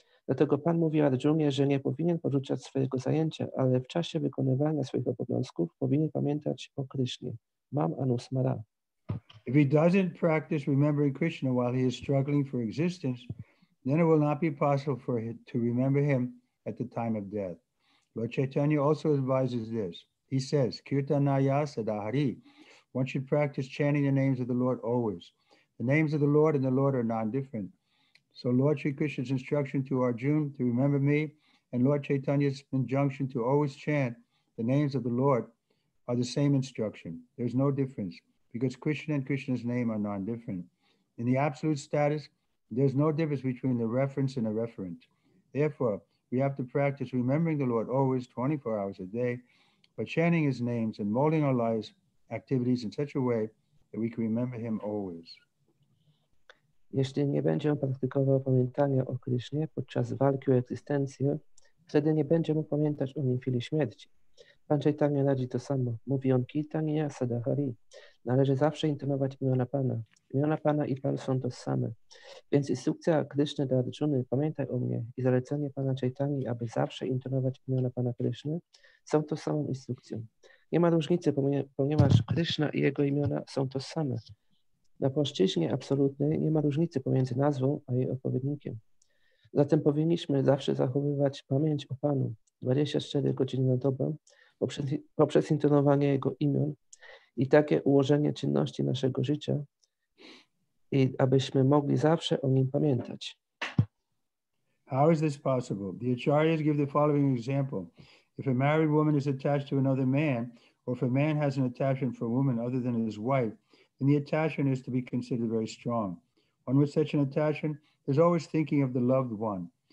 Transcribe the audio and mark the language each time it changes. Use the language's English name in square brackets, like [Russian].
[Polish] Dlatego Pan mówi Arjunie, że nie powinien porzucać swojego zajęcia, ale w czasie wykonywania swoich obowiązków powinien pamiętać o Krishnie. [Sanskrit] Mam Anusmara. [English] If he doesn't practice remembering Krishna while he is struggling for existence, then it will not be possible for him to remember him at the time of death. Lord Chaitanya also advises this. He says, Kirtanaya Sadahari, one should practice chanting the names of the Lord always. The names of the Lord and the Lord are non-different. So Lord Sri Krishna's instruction to Arjuna to remember me and Lord Chaitanya's injunction to always chant the names of the Lord are the same instruction. There's no difference, because Krishna and Krishna's name are non-different. In the absolute status, there's no difference between the reference and the referent. Therefore, we have to practice remembering the Lord always, 24 hours a day, by chanting his names and molding our lives, activities in such a way that we can remember him always. [Polish] Jeśli nie będzie on praktykował pamiętania o Krishnie podczas walki o egzystencję, wtedy nie będzie mógł pamiętać o nim w chwili śmierci. Pan Chaitanya radzi to samo. Mówi on, Kirtaniya Sadahari. Należy zawsze intonować imiona Pana. Imiona Pana i Pan są to same. Więc instrukcja Kryszny do Arjuny, pamiętaj o mnie, i zalecenie Pana Chaitanyi, aby zawsze intonować imiona Pana Kryszny, są to samą instrukcją. Nie ma różnicy, ponieważ Kryszna i jego imiona są to same. Na płaszczyźnie absolutnej nie ma różnicy pomiędzy nazwą a jej odpowiednikiem. Zatem powinniśmy zawsze zachowywać pamięć o Panu 24 godziny na dobę poprzez intonowanie jego imion, i takie ułożenie czynności naszego życia, i abyśmy mogli zawsze o nim pamiętać. [English] How is this possible? The Acharyas give the following example. If a married woman is attached to another man, or if a man has an attachment for a woman other than his wife, then the attachment is to be considered very strong. One with such an attachment is always thinking of the loved one.